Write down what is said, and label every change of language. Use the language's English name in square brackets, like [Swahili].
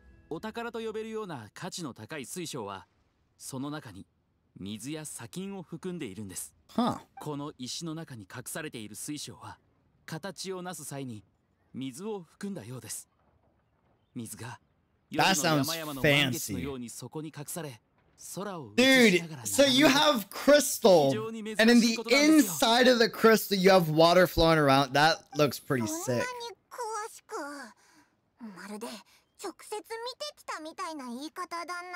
[Japanese] お宝と呼べるような価値の高い水晶はその中に水や砂金を含んでいるんです、 huh. この石の中に隠されている水晶は形を成す際に水を含んだようです。水が夜の山々の満月のようにそこに隠され空を映しながら [English] Dude, so you have crystal and in the inside of the crystal you have water flowing around. That looks pretty sick. [Japanese] そんなに詳しく、まるで直接見てきたみたいな言い方だな。